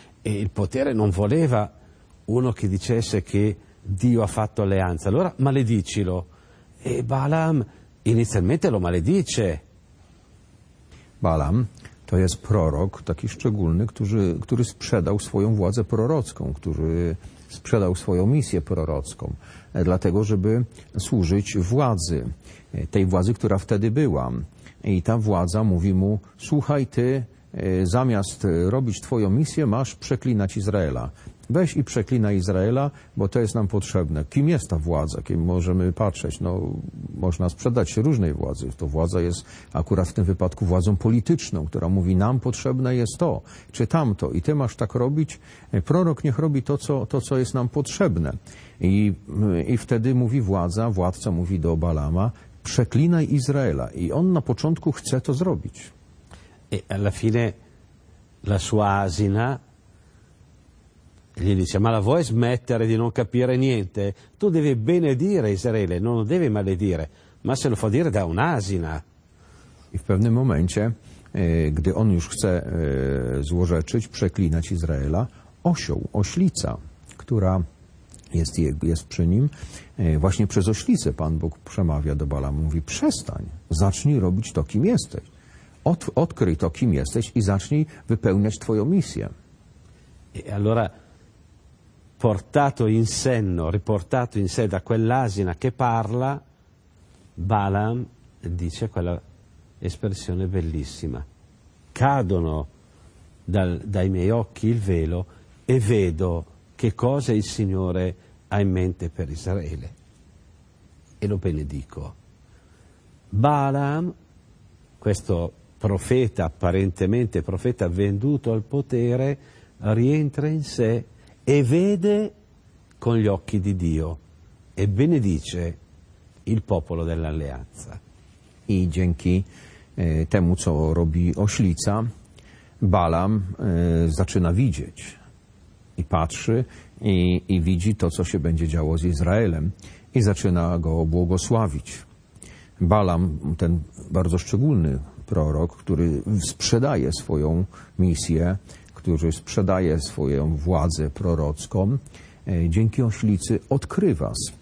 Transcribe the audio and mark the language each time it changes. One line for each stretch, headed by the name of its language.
Italian: E il potere non voleva uno che dicesse che Dio ha fatto alleanza, allora maledicilo. E Balaam inizialmente lo maledice.
Polish: Balaam to jest prorok taki szczególny, który sprzedał swoją władzę prorocką, który sprzedał swoją misję prorocką, dlatego żeby służyć władzy, tej władzy, która wtedy była. I ta władza mówi mu: słuchaj ty, zamiast robić twoją misję, masz przeklinać Izraela. Weź i przeklinaj Izraela, bo to jest nam potrzebne. Kim jest ta władza? Kim możemy patrzeć? No, można sprzedać się różnej władzy. To władza jest akurat w tym wypadku władzą polityczną, która mówi: nam potrzebne jest to czy tamto i ty masz tak robić. Prorok niech robi to, co jest nam potrzebne. I wtedy mówi władca mówi do Balaama: przeklinaj Izraela. I on na początku chce to zrobić.
Italian: E alla fine la sua asina gli dice: ma la vuoi smettere di non capire niente? Tu devi benedire Israele, non lo devi maledire, ma se lo fa dire da un'asina.
Polish: I w pewnym momencie, gdy on już chce złorzeczyć, przeklinać Izraela, oślica, która jest przy nim, właśnie przez oślicę Pan Bóg przemawia do Balaama, mówi: przestań, zacznij robić to, kim jesteś. Odkryj to, kim jesteś i zacznij wypełniać twoją misję.
Italian: E allora, portato in senno, riportato in sé da quell'asina che parla, Balaam dice quella espressione bellissima: cadono dai miei occhi il velo e vedo che cosa il Signore ha in mente per Israele. E lo benedico. Balaam, questo profeta, apparentemente profeta venduto al potere, rientra in sé e vede con gli occhi di Dio e benedice il popolo dell'alleanza.
Polish: I dzięki temu, co robi oślica, Balaam zaczyna widzieć i patrzy i widzi to, co się będzie działo z Izraelem i zaczyna go błogosławić. Balaam, ten bardzo szczególny prorok, który sprzedaje swoją misję, który sprzedaje swoją władzę prorocką, dzięki oślicy odkrywa.